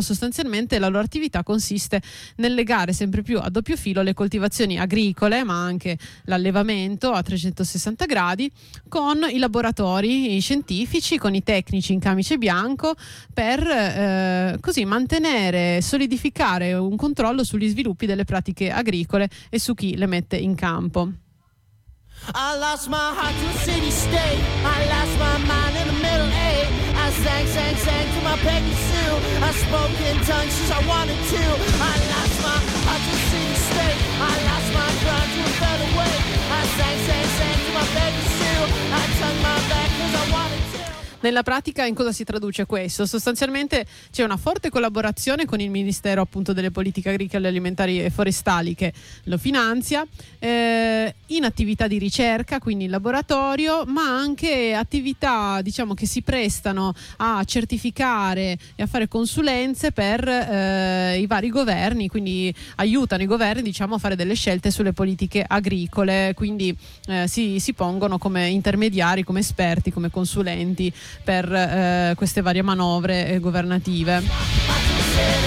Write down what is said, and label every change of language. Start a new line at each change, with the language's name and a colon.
Italian: Sostanzialmente la loro attività consiste nel legare sempre più a doppio filo le coltivazioni agricole, ma anche l'allevamento a 360 gradi, con i laboratori, i scientifici, con i tecnici in camice bianco, per così mantenere, solidificare un controllo sugli sviluppi delle pratiche agricole e su chi le mette in campo.
English: I lost my heart to a city state. I lost my mind in the middle age. I sang, sang, sang to my Peggy Sue. I spoke in tongues since I wanted to. I lost my heart to a city state. I lost my ground to a featherweight. I sang, sang, sang to my Peggy Sue. I turned my back cause I wanted.
Italian: Nella pratica in cosa si traduce questo? Sostanzialmente c'è una forte collaborazione con il Ministero appunto delle Politiche Agricole, Alimentari e Forestali, che lo finanzia, in attività di ricerca, quindi in laboratorio, ma anche attività, diciamo, che si prestano a certificare e a fare consulenze per i vari governi, quindi aiutano i governi, diciamo, a fare delle scelte sulle politiche agricole, quindi si pongono come intermediari, come esperti, come consulenti per queste varie manovre governative.